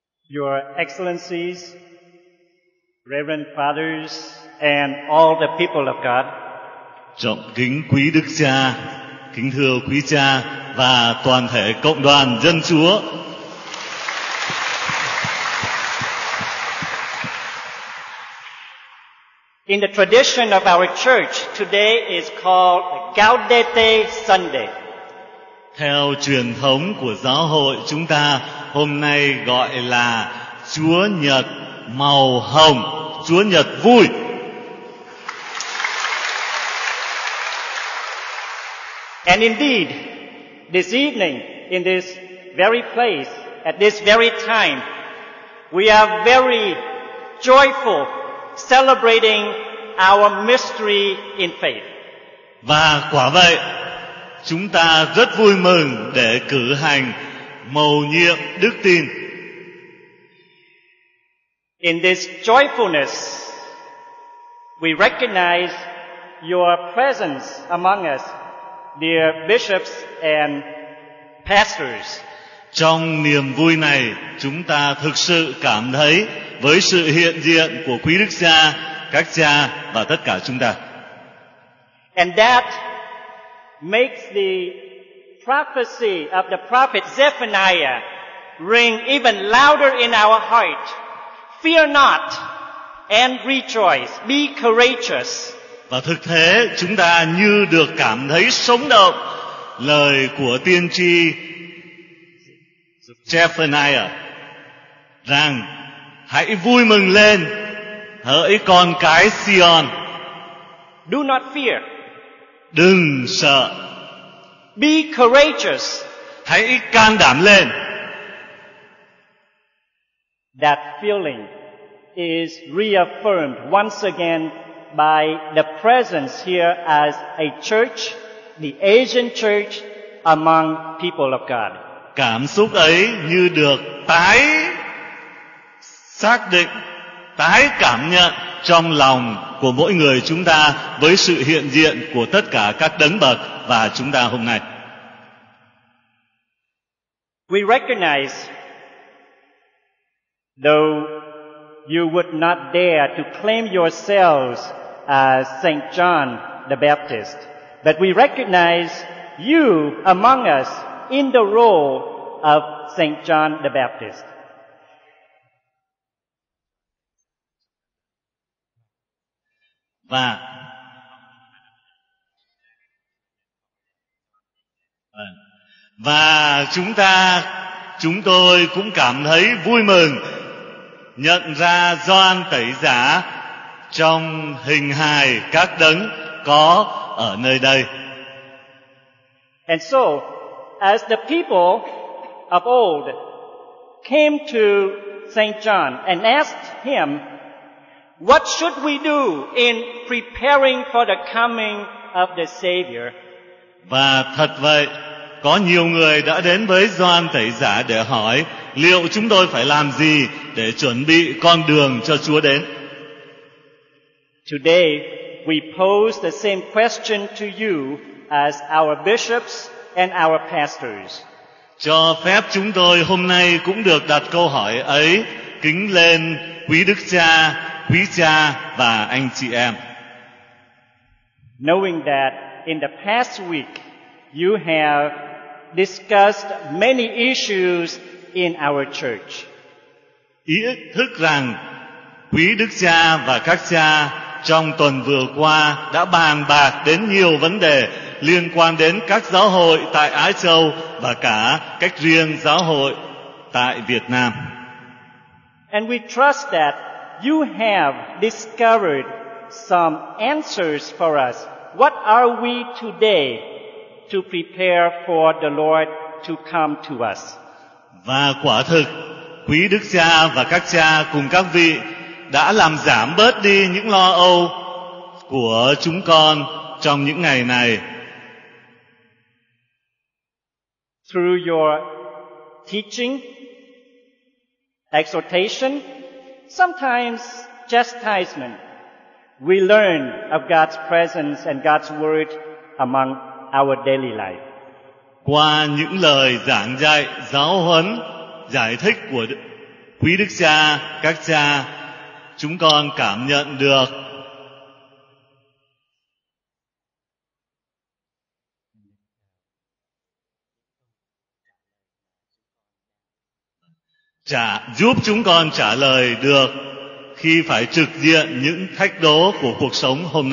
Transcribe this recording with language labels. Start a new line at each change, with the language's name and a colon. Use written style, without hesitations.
English: Your Excellencies, Reverend Fathers, and all the people of God.
Vietnamese: Trọng kính quý Đức Cha, kính thưa quý cha và toàn thể cộng đoàn dân Chúa.
English: In the tradition of our church, today is called Gaudete Sunday.
Vietnamese: Theo truyền thống của giáo hội chúng ta, hôm nay gọi là Chúa Nhật màu hồng, Chúa Nhật vui.
English: And indeed, this evening, in this very place, at this very time, we are very joyful celebrating our mystery in faith.
Vietnamese: Và quả vậy, chúng ta rất vui mừng để cử hành mầu nhiệm đức tin.
English: In this joyfulness, we recognize your presence among us, dear bishops and pastors.
Vietnamese: Trong niềm vui này, chúng ta thực sự cảm thấy với sự hiện diện của quý đức cha, các cha và tất cả chúng ta.
English: And that makes the prophecy of the prophet Zephaniah ring even louder in our heart. Fear not and rejoice. Be courageous.
Vietnamese: Và thực thế chúng ta như được cảm thấy sống động lời của tiên tri Zephaniah rằng: hãy vui mừng lên, hỡi con cái Sion.
English: Do not fear.
Vietnamese: Đừng sợ.
English: Be courageous.
Vietnamese: Hãy can đảm lên.
English: That feeling is reaffirmed once again by the presence here as a church, the Asian church, among people of God.
Vietnamese: Cảm xúc ấy như được tái xác định, tái cảm nhận trong lòng của mỗi người chúng ta với sự hiện diện của tất cả các đấng bậc và chúng ta hôm nay.
English: We recognize, though you would not dare to claim yourselves as St. John the Baptist, but we recognize you among us in the role of St. John the Baptist.
Vietnamese: Và chúng ta chúng tôi cũng cảm thấy vui mừng nhận ra Gioan Tẩy Giả trong hình hài các đấng có ở nơi đây.
English: And so, as the people of old came to St. John and asked him, "What should we do in preparing for the coming of the Savior?"
Vietnamese: Và thật vậy, có nhiều người đã đến với Gioan Tẩy Giả để hỏi liệu chúng tôi phải làm gì để chuẩn bị con đường cho Chúa đến.
English: Today we pose the same question to you as our bishops and our pastors.
Vietnamese: Cho phép chúng tôi hôm nay cũng được đặt câu hỏi ấy kính lên quý đức cha, quý cha và anh chị em.
English: Knowing that in the past week you have discussed many issues in our church.
Vietnamese: Ý thức rằng quý đức cha và các cha trong tuần vừa qua đã bàn bạc đến nhiều vấn đề liên quan đến các giáo hội tại Á Châu và cả cách riêng giáo hội tại Việt Nam.
English: And we trust that you have discovered some answers for us. What are we today to prepare for the Lord to come to us?
Vietnamese: Và quả thực, quý đức cha và các cha cùng các vị đã làm giảm bớt đi những lo âu của chúng con trong những ngày này.
English: Through your teaching, exhortation, sometimes chastisement, we learn of God's presence and God's word among our daily life.
Vietnamese: Qua những lời giảng dạy, giáo huấn, giải thích của quý đức cha, các cha, chúng con cảm nhận được giúp chúng con trả lời được khi phải trực diện những thách đố của cuộc sống hôm nay.